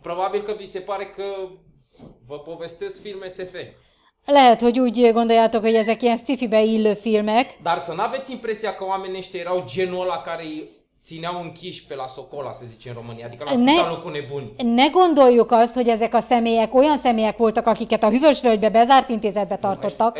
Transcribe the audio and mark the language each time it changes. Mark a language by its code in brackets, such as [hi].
[ro] Probabil că vi se pare că vă povestesc filme SF. [hu] Lehet, hogy úgy gondoljátok, hogy ezek ilyen sci-fi-be illő filmek. [ro] Dar să n-aveți impresia că oamenii ăștia erau genul ăla care țineau închiși pe la Socola, se zice în România, adică la spitalul cu nebuni. [hu] Ne gondoljuk azt, hogy ezek a személyek olyan személyek voltak, akiket a Hüvösvölgybe bezárt intézetbe tartottak.